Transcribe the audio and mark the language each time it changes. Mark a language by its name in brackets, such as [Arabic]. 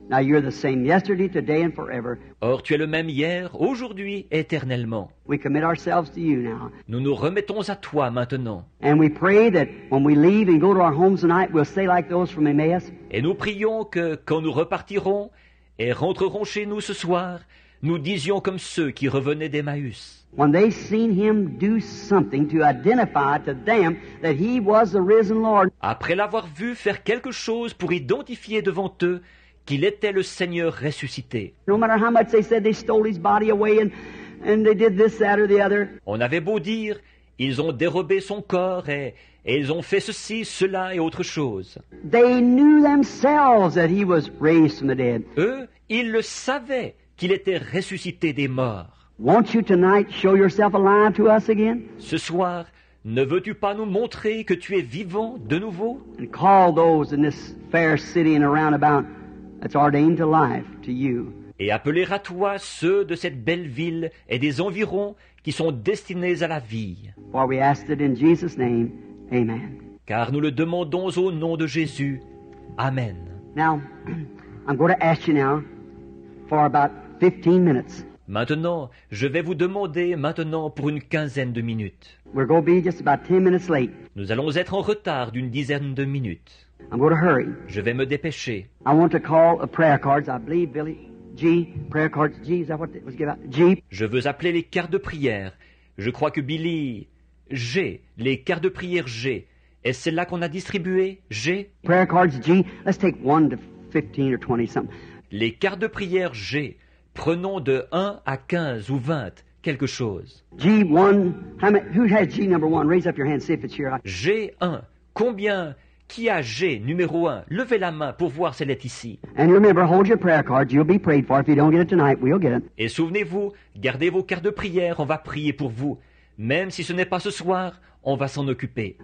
[English] Now you're the same yesterday, today and forever. [French] Or, tu es le même hier, aujourd'hui, éternellement. [English] We commit ourselves to you now. [French] Nous nous remettons à toi maintenant. [English] And we pray that when we leave and go to our homes tonight, we'll say like those from Emmaus. [French] Et nous prions que quand nous repartirons et rentrerons chez nous ce soir, nous disions comme ceux qui revenaient d'Emmaüs. [English] When they seen him do something to identify to them that he was the risen Lord. [French] Après l'avoir vu faire quelque chose pour identifier devant eux qu'il était le Seigneur ressuscité. [English] No matter how much they said they stole his body away and they did this, that or the other. [French] On avait beau dire, ils ont dérobé son corps et ils ont fait ceci, cela et autre chose. [English] They knew themselves that he was raised from the dead. [French] Eux, ils le savaient qu'il était ressuscité des morts. [English] Won't you tonight show yourself alive to us again? [French] Ce soir, ne veux-tu pas nous montrer que tu es vivant de nouveau? [English] And call those in this fair city and around about that's ordained to life to you. [French] Et appeler à toi ceux de cette belle ville et des environs qui sont destinés à la vie. [English] For we ask it in Jesus' name, amen. [French] Car nous le demandons au nom de Jésus, amen. [English] Now, I'm going to ask you now for about 15 minutes. [French] Maintenant, je vais vous demander maintenant pour une quinzaine de minutes. [English] We're going to be just about 10 minutes late. [French] Nous allons être en retard d'une dizaine de minutes. [English] I'm going to hurry. [French] Je vais me dépêcher. [English] I want to call a prayer cards. I believe Billy G. Prayer cards. G, is that what was given out? G. [French] Je veux appeler les cartes de prière. Je crois que Billy G. Les cartes de prière G. Est-ce celle-là qu'on a distribué? G. [English] Prayer cards G. Let's take 1 to 15 or 20 something. [French] Les cartes de prière G. Prenons de 1 à 15 ou 20 quelque chose. [English] G1, who has G number 1? Raise up your hand, see if it's here. [French] G1, combien? Qui a G numéro 1? Levez la main pour voir si elle est ici. [English] And remember, hold your prayer card, you'll be prayed for. If you don't get it tonight, we'll get it. [French] Et souvenez-vous, gardez vos cartes de prière, on va prier pour vous. Même si ce n'est pas ce soir, on va s'en occuper.